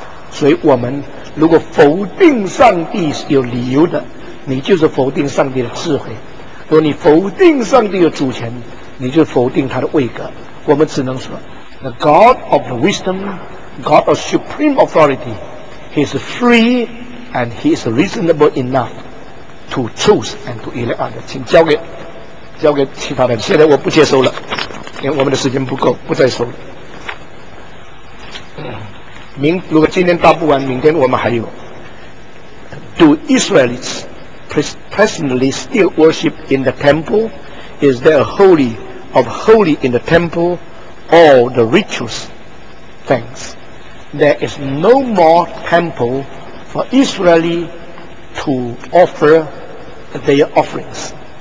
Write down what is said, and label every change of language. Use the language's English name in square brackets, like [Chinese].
[Chinese] 所以我们如果否定上帝是有理由的，你就是否定上帝的智慧。如果你否定上帝的主权，你就否定他的位格。我们只能说 [English] the God of wisdom, God of supreme authority, he is free and he is reasonable enough to choose and to elect others. [Chinese] 请交给其他人，现在我不接受了，因为我们的时间不够，不再说了。如果今天答不完，明天我们还有。 [English] Do Israelites presently still worship in the temple? Is there a holy of holy in the temple? All the rituals, thanks. There is no more temple for Israeli to offer their offerings.